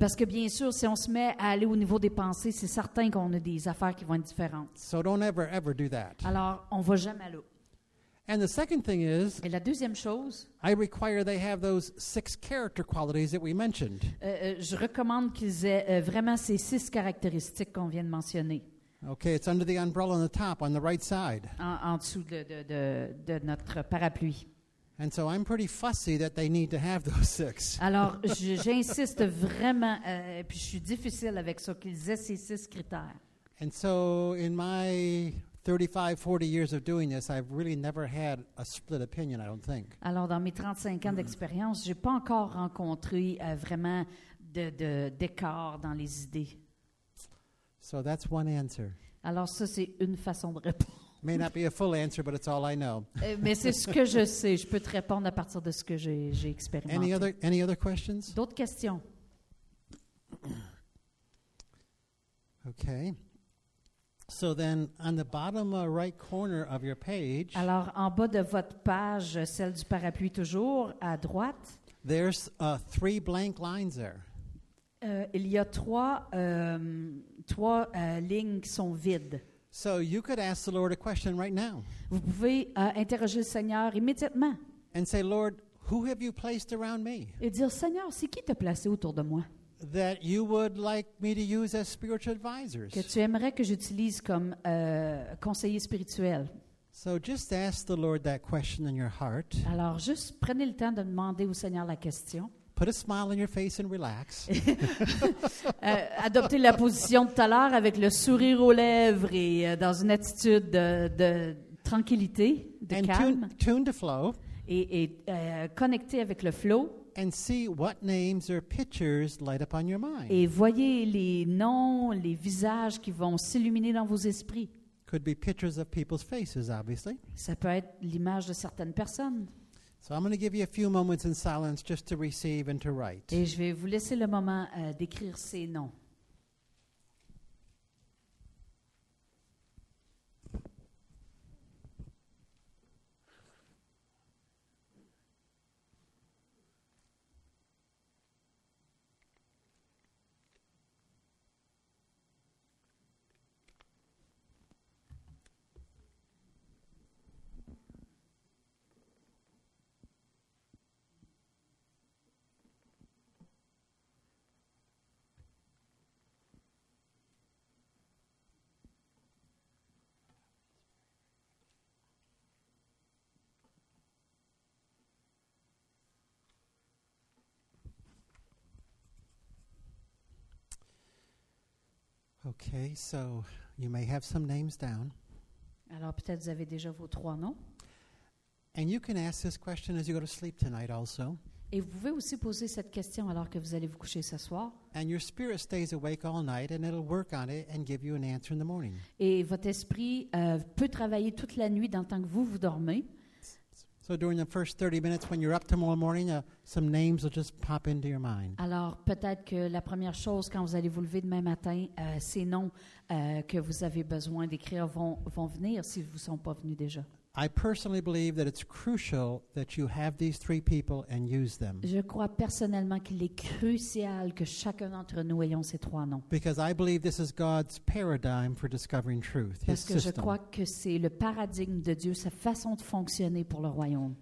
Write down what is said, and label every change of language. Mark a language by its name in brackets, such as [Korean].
[French] Parce que bien sûr, si on se met à aller au niveau des pensées, c'est certain qu'on a des affaires qui vont être différentes. [English] So don't ever do that. [French] Alors, on va jamais là. [English] And the second thing is, [French] et la deuxième chose, [English] I require they have those six character qualities that we mentioned. [French] Je recommande qu'ils aient vraiment ces six caractéristiques qu'on vient de mentionner. [English] Okay, it's under the umbrella on the top, on the right side. [French] En dessous de notre parapluie. [English] And so I'm pretty fussy that they need to have those six. [French] Alors, j'insiste vraiment, puis je suis difficile avec ça, qu'ils aient ces six critères. [English] And so in my 35, 40 years of doing this, I've really never had a split opinion, I don't think. [French] Alors, dans mes 35 ans d'expérience, j'ai pas encore rencontré vraiment de d'écart dans les idées. [English] So that's one answer. [French] Alors, ça, c'est une façon de répondre. [English] May not be a full answer, but it's all I know. [French] Mais c'est ce que je sais. Je peux te répondre à partir de ce que j'ai expérimenté. [English] Any other questions? [French] D'autres questions? [English] Okay. So then, on the bottom right corner of your page. [French] Alors, en bas de votre page, celle du parapluie toujours, à droite. [English] There's three blank lines there. [French] Il y a trois lignes qui sont vides. [English] So you could ask the Lord a question right now. [French] Vous pouvez interroger le Seigneur immédiatement. [English] And say, Lord, who have you placed around me? [French] Et dire, Seigneur, c'est qui t'a placé autour de moi? [English] That you would like me to use as spiritual advisors. [French] Que tu aimerais que j'utilise comme conseiller spirituel. [English] So just ask the Lord that question in your heart. [French] Alors juste prenez le temps de demander au Seigneur la question. [English] Put a smile on your face and relax. [French] Adoptez la position de tout à l'heure avec le sourire aux lèvres et dans une attitude de tranquillité, de [English] and [French] calme. [English] Tune to flow. [French] Et connectez avec le flow. [English] And see what names or pictures light up on your mind. [French] Et voyez les noms, les visages qui vont s'illuminer dans vos esprits. [English] Could be pictures of people's faces, obviously. [French] Ça peut être l'image de certaines personnes. [English] So I'm going to give you a few moments in silence just to receive and to write. [French] Et je vais vous laisser le moment d'écrire ces noms. [English] Okay, so you may have some names down. [French] Alors peut-être vous avez déjà vos trois noms. [English] And you can ask this question as you go to sleep tonight also. [French] Et vous pouvez aussi poser cette question alors que vous allez vous coucher ce soir. [English] And your spirit stays awake all night and it'll work on it and give you an answer in the morning. [French] Et votre esprit peut travailler toute la nuit dans le temps que vous dormez. [English] So during the first 30 minutes when you're up tomorrow morning, some names will just pop into your mind. [French] Alors peut-être que la première chose quand vous allez vous lever demain matin, ces noms que vous avez besoin d'écrire vont venir s'ils ne vous sont pas venus déjà. [English] I personally believe that it's crucial that you have these three people and use them. [French] Je crois personnellement qu'il est crucial que chacun d'entre nous ayons ces trois noms. [English] Because I believe this is God's paradigm for discovering truth, his system. [French] Parce que je crois que c'est le paradigme de Dieu, sa façon de fonctionner pour le royaume.